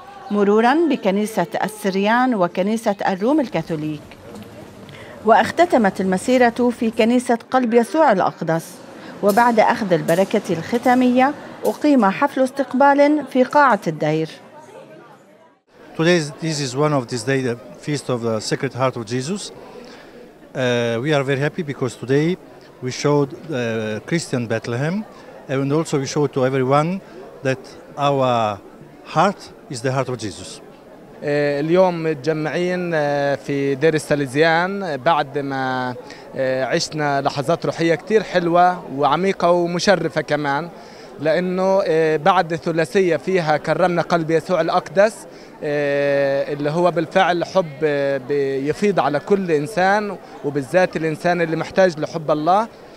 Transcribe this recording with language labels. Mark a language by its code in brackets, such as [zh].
[ar] مروراً بكنيسة السريان وكنيسة الروم الكاثوليك واختتمت المسيرة في كنيسة قلب يسوع الأقدس وبعد أخذ البركة الختامية أقيم حفل استقبال في قاعة الدير. [en] Today this is one of these days, the feast of the Sacred Heart of Jesus. We are very happy because today we showed Christian Bethlehem and also we showed to everyone that our heart is the heart of Jesus. [ar] اليوم متجمعين في دير السلزيان بعد ما عشنا لحظات روحية كتير حلوة وعميقة ومشرفة كمان لأنه بعد ثلاثية فيها كرمنا قلب يسوع الأقدس اللي هو بالفعل حب يفيض على كل إنسان وبالذات الإنسان اللي محتاج لحب الله.